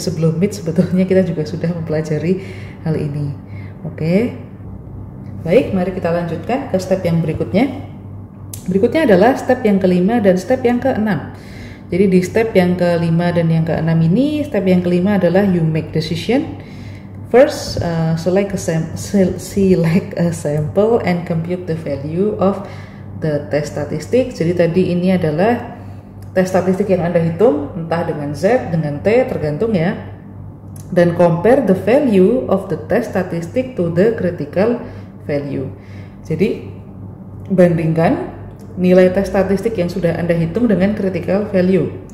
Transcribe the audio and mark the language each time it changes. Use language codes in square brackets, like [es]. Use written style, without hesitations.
[id] Sebelum meet sebetulnya kita juga sudah mempelajari hal ini. Oke. Baik, mari kita lanjutkan ke step yang berikutnya. Berikutnya adalah step yang kelima dan step yang keenam. Jadi di step yang kelima dan yang keenam ini, step yang kelima adalah [en] you make decision. First, select a sample and compute the value of the test statistic. [id] Jadi tadi ini adalah test statistik yang Anda hitung, entah dengan Z, dengan T, tergantung ya. [en] Dan compare the value of the test statistic to the critical value. [id] Jadi, bandingkan nilai tes statistik yang sudah Anda hitung dengan critical value.